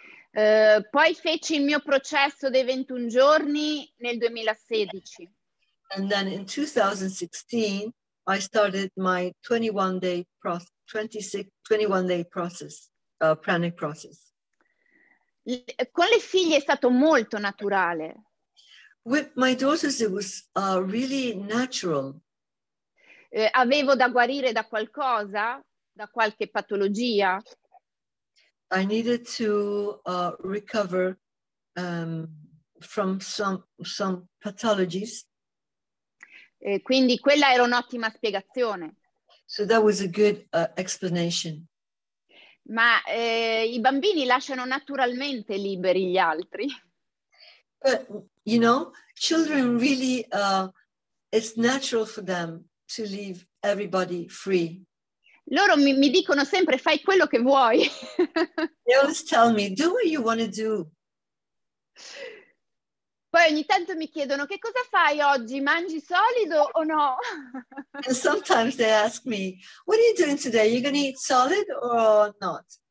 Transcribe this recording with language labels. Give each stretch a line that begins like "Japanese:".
Italian: Poi feci il mio processo dei 21 giorni nel 2016.
English: And then in 2016 I started my 21 day process, pranic process.
Italian: Con le figlie è stato molto naturale.
English: With my daughters it was really natural.
Italian: avevo da guarire da qualcosa, da qualche patologia.
English: I needed to recover from some pathologies.
Italian: Quindi quella era un'ottima spiegazione.
English: So that was a good explanation.
Italian: Ma i bambini lasciano naturalmente liberi gli altri.
English: But, you know, children really, it's natural for them to leave everybody free.
Italian: Loro mi dicono sempre, fai quello che vuoi.
English: They always tell me, do what you want to do.
Italian: Poi ogni tanto mi chiedono, che cosa fai oggi? Mangi solido o no?
English: And sometimes they ask me, what are you doing today? Are you going to eat solid or not?